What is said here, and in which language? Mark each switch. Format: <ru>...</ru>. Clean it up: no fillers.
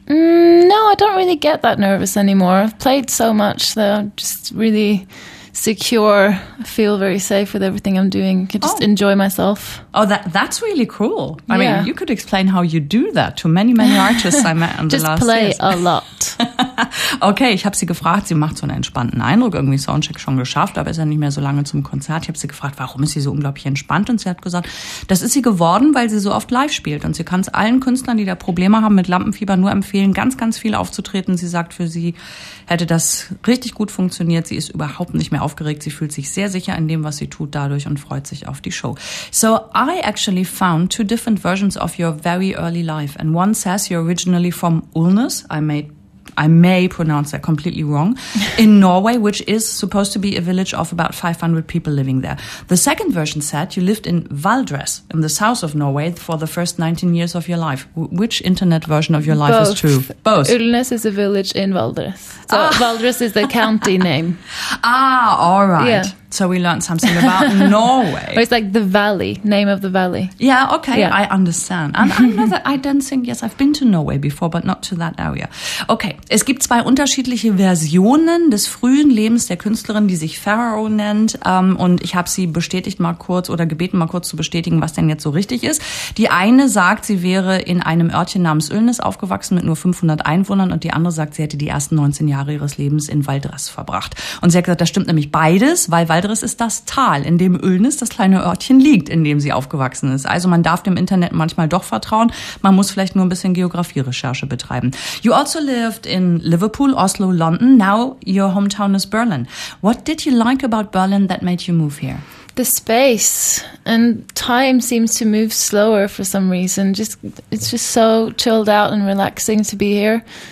<en>No, I don't really get that nervous anymore. I've played so much that I'm just really secure. I feel very safe with everything I'm doing. I can just enjoy myself. Oh, that's really cool. Yeah. I mean, you could explain how you do that to many, many artists I met in the last years. Just play a lot.</en> <de>Okay, ich habe sie gefragt, sie macht so einen entspannten Eindruck, irgendwie Soundcheck schon geschafft, aber ist ja nicht mehr so lange zum Konzert. Ich habe sie gefragt, warum ist sie so unglaublich entspannt, und sie hat gesagt, das ist sie geworden, weil sie so oft live spielt, und sie kann es allen Künstlern, die da Probleme haben mit Lampenfieber, nur empfehlen, ganz, ganz viel aufzutreten. Sie sagt, für sie hätte das richtig gut funktioniert, sie ist überhaupt nicht mehr aufgeregt, sie fühlt sich sehr sicher in dem, was sie tut dadurch, und freut sich auf die Show.</de> <en>So I actually found 2 different versions of your very early life, and one says you're originally from Ulnes. I may pronounce that completely wrong, in Norway, which is supposed to be a village of about 500 people living there. The second version said you lived in Valdres, in the south of Norway, for the first 19 years of your life. Which internet version of your life Both. Is true? Both. Ulnes is a village in Valdres. So Valdres is the county name. Ah, all right. Yeah. So we learned something about Norway. Well, it's like the valley, name of the valley. Yeah, okay, yeah. I understand. And I've been to Norway before, but not to that area.</en> <de>Okay, es gibt 2 unterschiedliche Versionen des frühen Lebens der Künstlerin, die sich Pharao nennt. Und ich habe sie gebeten, mal kurz zu bestätigen, was denn jetzt so richtig ist. Die eine sagt, sie wäre in einem Örtchen namens Ulnes aufgewachsen mit nur 500 Einwohnern. Und die andere sagt, sie hätte die ersten 19 Jahre ihres Lebens in Valdres verbracht. Und sie hat gesagt, das stimmt nämlich beides, weil Valdres ist das Tal, in dem Ulnes, das kleine Örtchen, liegt, in dem sie aufgewachsen ist. Also man darf dem Internet manchmal doch vertrauen. Man muss vielleicht nur ein bisschen Geografie-Recherche betreiben.</de> <en>You also lived in Liverpool, Oslo, London. Now your hometown is Berlin. What did you like about Berlin that made you move here? The space and time seems to move slower for some reason. It's just so chilled out and relaxing to be here.</en>